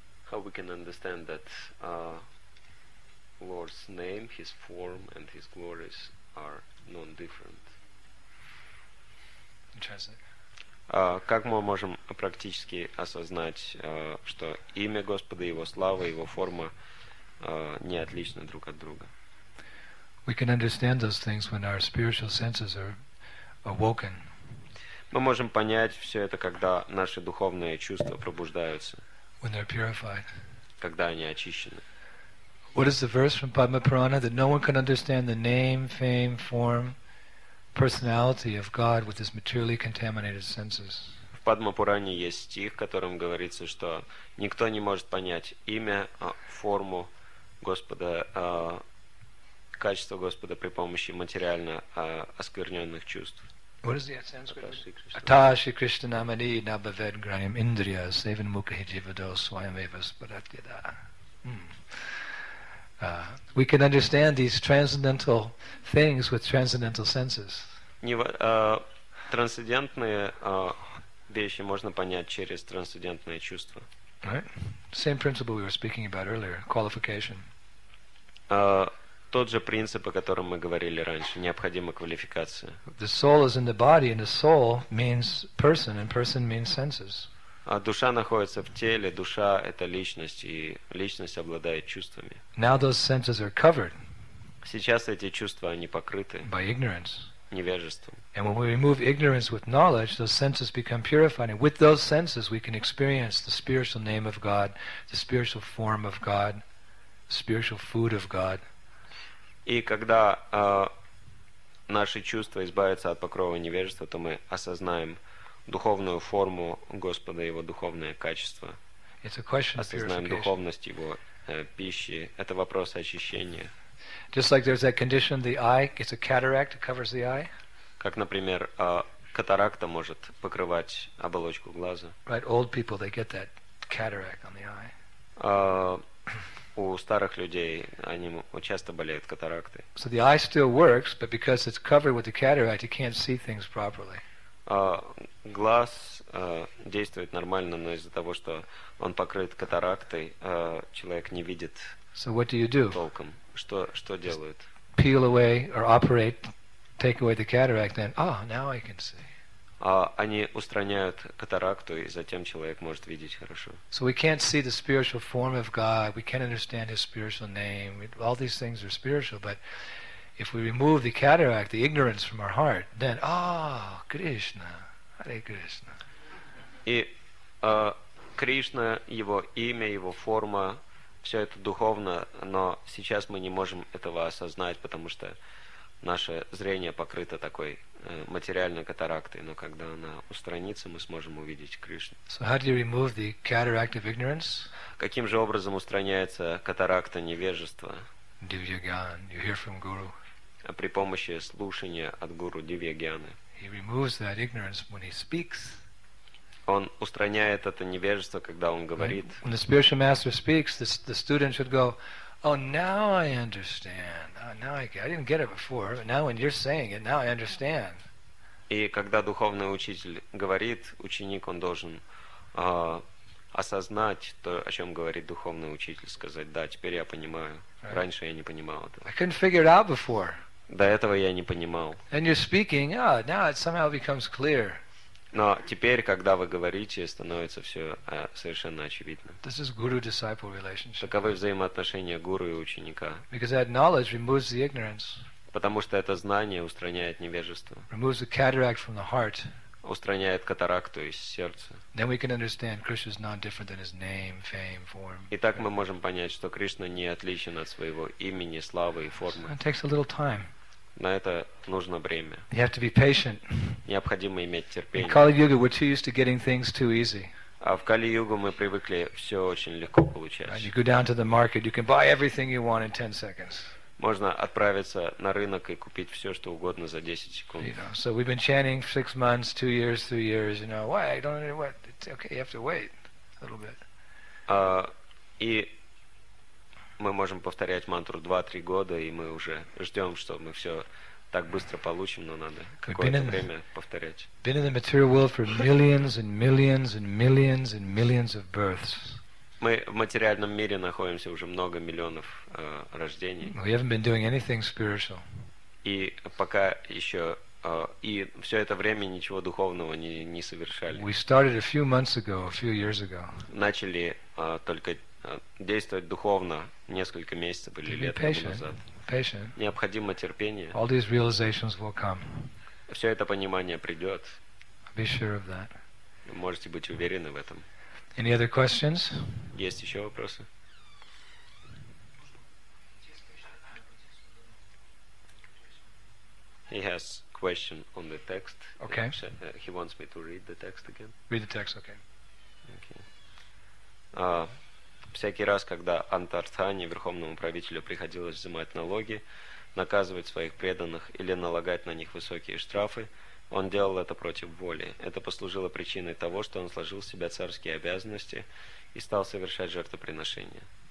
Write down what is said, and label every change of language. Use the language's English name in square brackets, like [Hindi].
[English] How we can understand that Lord's name, His form, and His glories are non-different? [Russian] Как мы можем практически осознать, что имя Господа, Его слава, Его форма не отличны друг от друга? [English] We can understand those things when our spiritual senses are awoken. [Russian] Мы можем понять все это, когда наши духовные чувства пробуждаются. [English] When they're purified. [Russian] Когда они очищены. [English] What is the verse from Padma Purana that no one can understand the name, fame, form? Personality of God with his materially contaminated senses. [Russian] В Падмапуране есть стих, в котором говорится, что никто не может понять имя, форму Господа, качество Господа при помощи материально оскверненных чувств. [English] What is the Sanskrit? [Sanskrit] Atashi Krishna Namani Nabaved Graham Indriya Savan Mukhajivado Swayameva Spadatyada. [English] We can understand these transcendental things with transcendental senses. [Russian] Трансцендентные вещи можно понять через трансцендентные чувства. [English] Right. Same principle we were speaking about earlier, qualification. [Russian] Тот же принцип, о котором мы говорили раньше, необходима квалификация. [English] The soul is in the body, and the soul means person, and person means senses. [Russian] Душа находится в теле, душа — это личность, и личность обладает чувствами. [English] Now those senses are covered. [Russian] Сейчас эти чувства, они покрыты. [English] By ignorance. [Russian] Невежеством. [English] And when we remove ignorance with knowledge, those senses become purified. And with those senses, we can experience the spiritual name of God, the spiritual form of God, the spiritual food of God. [Russian] И когда наши чувства избавятся от покрова невежества, то мы осознаем духовную форму Господа, Его духовное качество. [English] It's a question of purification. [Russian] Осознаем духовность Его пищи. Это вопрос очищения. [English] Just like there's that condition, the eye, it's a cataract, it covers the eye. [Russian] Как, например, катаракта может покрывать оболочку глаза. [English] Right, old people, they get that cataract on the eye. [Russian] У старых людей они часто болеют катаракты. [English] So the eye still works, but because it's covered with the cataract, you can't see things properly. [Russian] Глаз действует нормально, но из-за того, что он покрыт катарактой, человек не видит. [English] So what do you do? [Russian] Толком. Что делают? [English] Peel away or operate, take away the cataract, then, now I can see. [Russian] они устраняют катаракту, и затем человек может видеть хорошо. [English] So we can't see the spiritual form of God, we can't understand His spiritual name. All these things are spiritual, but if we remove the cataract, the ignorance from our heart, then, Кришна, Харе Кришна. [Russian] И Кришна, Его имя, Его форма, все это духовно, но сейчас мы не можем этого осознать, потому что наше зрение покрыто такой материальной катарактой, но когда она устранится, мы сможем увидеть Кришну. [English] So how do you remove the cataract of ignorance? [Russian] Каким же образом устраняется катаракта невежества? [English] Divya Gyan, you hear from Guru. [Russian] При помощи слушания от Гуру Дивья Гьяны. [English] He removes that ignorance when he speaks. [Russian] Он устраняет это невежество, когда он говорит. [English] When the spiritual master speaks, the student should go, oh, now I understand. Now I didn't get it before, but now when you're saying it, now I understand. [Russian] И когда духовный учитель говорит, ученик он должен осознать то, о чем говорит духовный учитель, сказать, да, теперь я понимаю. [English] Right. [Russian] Раньше я не понимал этого. [English] I couldn't figure it out before. [Russian] До этого я не понимал. [English] And you're speaking, now it somehow becomes clear. [Russian] Но теперь, когда вы говорите, становится все совершенно очевидно. [English] This is guru-disciple relationship. [Russian] Таковы взаимоотношения гуру и ученика. [English] Because that knowledge removes the ignorance. [Russian] Потому что это знание устраняет невежество. [English] Removes the cataract from the heart. [Russian] Устраняет катаракту из сердца. [English] Then we can understand Krishna is not different than his name, fame, form. [Russian] Итак, мы можем понять, что Кришна не отличен от своего имени, славы и формы. [English] It takes a little time. [Russian] На это нужно время. [English] You have to be patient. [Russian] Необходимо иметь терпение. [English] In Kali-Yuga, we're too used to getting things too easy. [Russian] А в Кали-Югу мы привыкли все очень легко получать. [English] And you go down to the market, you can buy everything you want in 10 seconds. [Russian] Можно отправиться на рынок и купить все, что угодно за 10 секунд. [English] You know, so we've been chanting 6 months, 2 years, 3 years, you know, why? I don't know what. It's okay, you have to wait a little bit. [Russian] И мы можем повторять мантру 2-3 года, и мы уже ждем, что мы все так быстро получим, но надо какое-то время повторять. [English] Been in the material world for millions and millions and millions and millions of births. [Russian] Мы в материальном мире находимся уже много миллионов рождений. [English] We haven't been doing anything spiritual. [Russian] И пока еще и все это время ничего духовного не совершали. [English] We started a few months ago, a few years ago. [Russian] Начали только действовать духовно несколько месяцев или лет назад. [English] Patient. [Russian] Необходимо терпение. [English] All these realizations will come. [Russian] Все это понимание придет. [English] Be sure of that. [Russian] Можете быть уверены в этом. [English] Any other questions? [Russian] Есть еще вопросы? [English] He has a question on the text. Okay. He wants me to read the text again. Read the text, okay. Okay. [Russian] Всякий раз, когда Антартхане, верховному правителю, приходилось взимать налоги, наказывать своих преданных или налагать на них высокие штрафы, он делал это против воли. Это послужило причиной того, что он сложил в себя царские обязанности и стал совершать жертвоприношения.